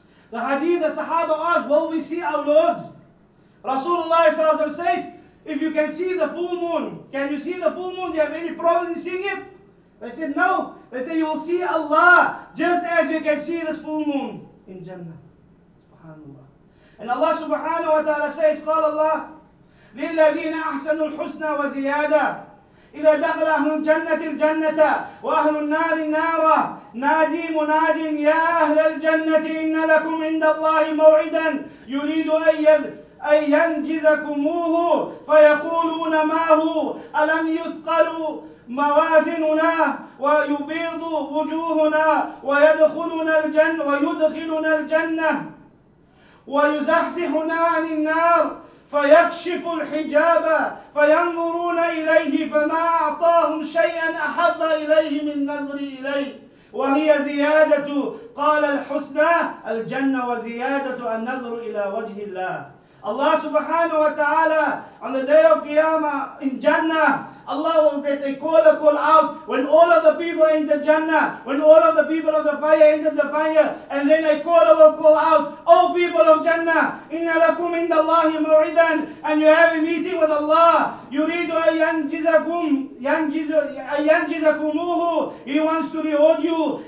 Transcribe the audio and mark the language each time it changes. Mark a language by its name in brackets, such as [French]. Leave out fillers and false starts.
[English] The hadith, the sahaba asked, will we see our Lord? Rasulullah SAW says, if you can see the full moon, can you see the full moon? Do you have any problems in seeing it? They said, no. They say, you will see Allah just as you can see this full moon in Jannah. Subhanallah. And Allah subhanahu wa ta'ala says, [Arabic] قال الله للذين أحسنوا الحسنى وزيادة إذا دخل أهل الجنة الجنة وأهل النار النار نادي مناد يا أهل الجنة إن لكم عند الله موعدا يريد أن ينجزكموه فيقولون ما هو ألم يثقلوا موازننا ويبيض وجوهنا ويدخلنا الجنة ويدخلنا الجنة ويزحزحنا عن النار فيكشف الحجاب فينظرون إليه فما أعطاهم شيئا أحب إليه من نظر إليه وهي زيادة قال الحسنى الجنة وزيادة النظر إلى وجه الله. [English] Allah subhanahu wa ta'ala on the day of Qiyamah in Jannah, Allah will get a caller call out when all of the people enter Jannah, when all of the people of the fire enter the fire, and then a caller will call out, oh people of Jannah, [Arabic] inna lakum inda Allahi mu'idan, [English] and you have a meeting with Allah, [Arabic] yuridu ayyanjizakumuhu, [English] he wants to reward you.